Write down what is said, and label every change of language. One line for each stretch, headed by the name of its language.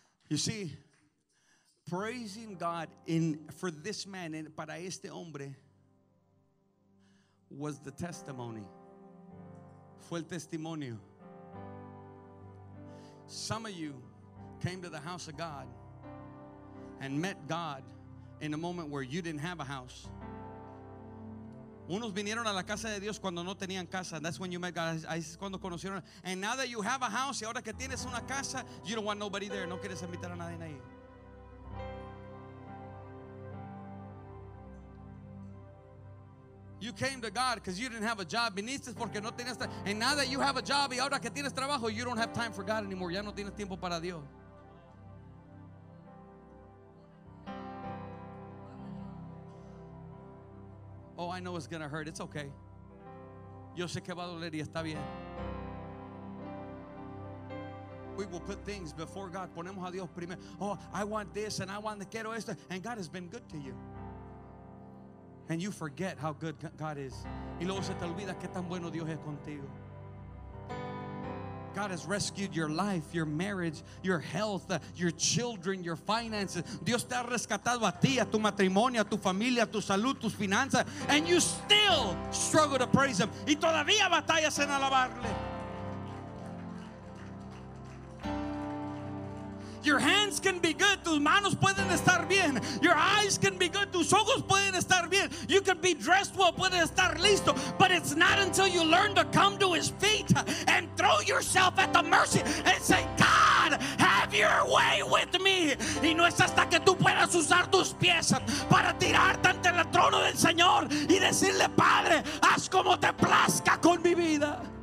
English: You see, praising God for this man, and
Spanish: para este hombre,
English: was the testimony.
Spanish: Fue el testimonio.
English: Some of you came to the house of God and met God in a moment where you didn't have a house.
Spanish: Unos vinieron a la casa de Dios cuando no tenían casa.
English: That's when you met God.
Spanish: Ahí es cuando conocieron.
English: And now that you have a house,
Spanish: y ahora que tienes una casa,
English: you don't want nobody there.
Spanish: No quieres invitar a nadie ahí.
English: You came to God because you didn't have a job.
Spanish: Viniste porque no tenías.
English: And now that you have a job,
Spanish: y ahora que tienes trabajo,
English: you don't have time for God anymore.
Spanish: Ya no tienes tiempo para Dios.
English: Oh, I know it's going to hurt. It's okay.
Spanish: Yo sé que va a doler y está bien.
English: We will put things before God.
Spanish: Ponemos a Dios primero.
English: Oh, I want this and I want to
Spanish: quiero esto.
English: And God has been good to you. And you forget how good God is.
Spanish: Y luego se te olvida que tan bueno Dios es contigo.
English: God has rescued your life, your marriage, your health, your children, your finances.
Spanish: Dios te ha rescatado a ti, a tu matrimonio, a tu familia, a tu salud, tus finanzas.
English: And you still struggle to praise Him.
Spanish: Y todavía batallas en alabarle.
English: Your hands can be good.
Spanish: Tus manos pueden estar bien.
English: Your eyes can be good.
Spanish: Tus ojos pueden estar bien.
English: You can be dressed well.
Spanish: Pueden estar listo.
English: But it's not until you learn to come to His feet and throw yourself at the mercy and say, God, have your way with me.
Spanish: Y no es hasta que tú puedas usar tus pies para tirarte ante el trono del Señor y decirle, Padre, haz como te plazca con mi vida.